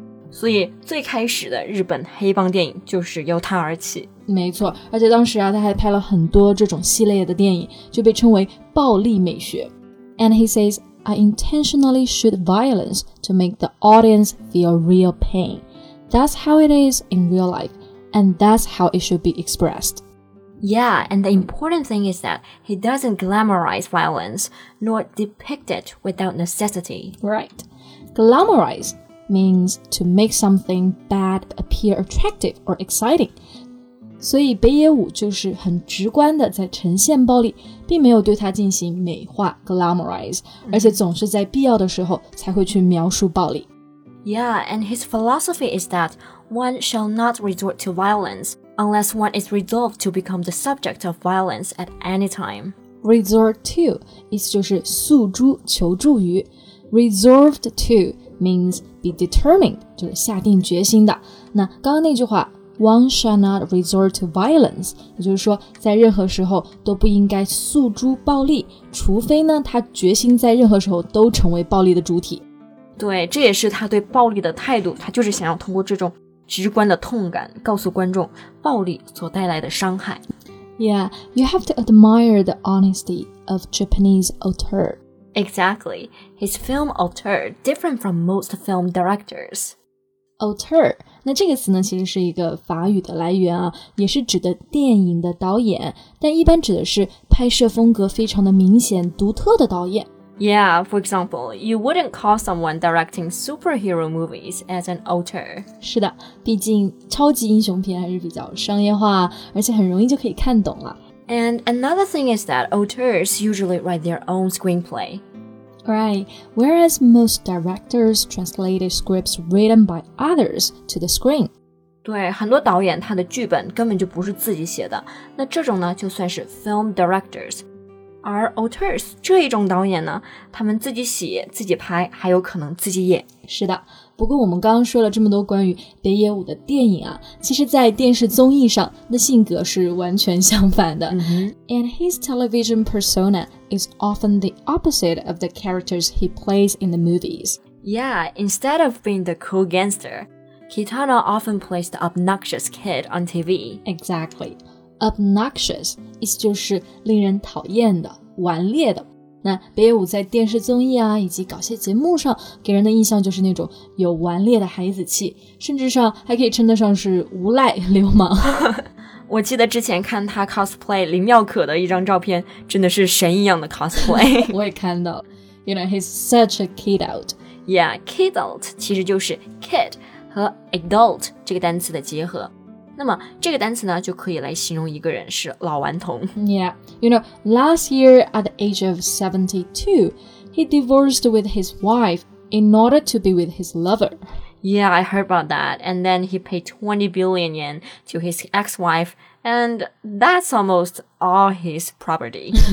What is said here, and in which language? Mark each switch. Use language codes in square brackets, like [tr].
[zh] 所以最开始的日本黑帮电影就是由他而起。没错，而且当时啊，他还拍了很多这种系列的电影，就被称为暴力美学。 [en] And he says, I intentionally shoot violence to make the audience feel real pain. That's how it is in real life. And that's how it should be expressed. Yeah, and the important thing is that he doesn't glamorize violence, nor depict it without necessity. Right. Glamorize means to make something bad appear attractive or exciting. [zh] 所以北野武就是很直观的在呈现暴力，并没有对他进行美化 glamorize, 而且总是在必要的时候才会去描述暴力。 [en] Yeah, and his philosophy is that one shall not resort to violence unless one is resolved to become the subject of violence at any time. [zh] Resort to 意思就是诉诸、求助于。 [en] Resolved to means be determined, [zh] 就是下定决心的。那刚刚那句话 [en] One shall not resort to violence. [zh] 也就是说，在任何时候都不应该诉诸暴力，除非呢，他决心在任何时候都成为暴力的主体。对，这也是他对暴力的态度，他就是想要通过这种直观的痛感告诉观众暴力所带来的伤害。 [en] Yeah, you have to admire the honesty of Japanese auteur. Exactly. His film Auteur, different from most film directors. [zh] Auteur, 那这个词呢其实是一个法语的来源啊，也是指的电影的导演，但一般指的是拍摄风格非常的明显独特的导演。 [en] Yeah, for example, you wouldn't call someone directing superhero movies as an auteur. [zh] 是的，毕竟超级英雄片还是比较商业化，而且很容易就可以看懂了。 [en] And another thing is that auteurs usually write their own screenplay. Right, whereas most directors translated scripts written by others to the screen. [zh] 对，很多导演他的剧本根本就不是自己写的，那这种呢就算是 film directors。而 auteurs 这一种导演呢，他们自己写自己拍，还有可能自己演。是的，不过我们刚刚说了这么多关于北野武的电影啊，其实在电视综艺上那性格是完全相反的。 Mm-hmm. [en] And his television persona is often the opposite of the characters he plays in the movies. Yeah, instead of being the cool gangster, Kitano often plays the obnoxious kid on TV. Exactly. [zh] Obnoxious, 意思就是令人讨厌的、顽劣的。那北野武在电视综艺啊，以及搞笑节目上，给人的印象就是那种有顽劣的孩子气，甚至上还可以称得上是无赖、流氓。我记得之前看他 cosplay 林妙可的一张照片，真的是神一样的 cosplay。我也看到了。 [en] You know, he's such a kid out. [zh] Yeah, kid out 其实就是 kid 和 adult 这个单词的结合。那么这个单词呢就可以来形容一个人是老顽童。 [en] Yeah, you know, last year at the age of 72, he divorced with his wife in order to be with his lover. Yeah, I heard about that. And then he paid 20 billion yen to his ex-wife, and that's almost all his property.